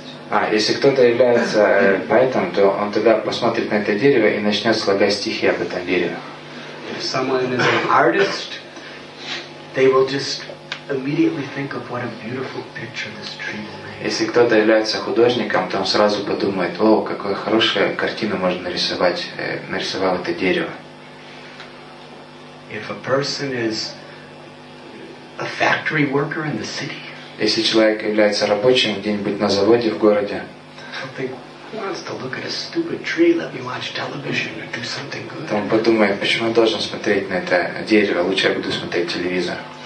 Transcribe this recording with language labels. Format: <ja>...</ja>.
<ru>А если кто-то является поэтом, то он тогда посмотрит на это дерево и начнет слагать стихи об этом дереве.</ru> <en>If someone is an artist, they will just immediately think of what a beautiful picture this tree will make.</en> <ru>Если кто-то является художником, то он сразу подумает, о, какую хорошую картину можно нарисовать, нарисовал это дерево.</ru> <en>If a person is a factory worker in the city,</en> <ru>если человек является рабочим где-нибудь на заводе в городе, то он подумает, почему я должен смотреть на это дерево, лучше я буду смотреть телевизор.</ru>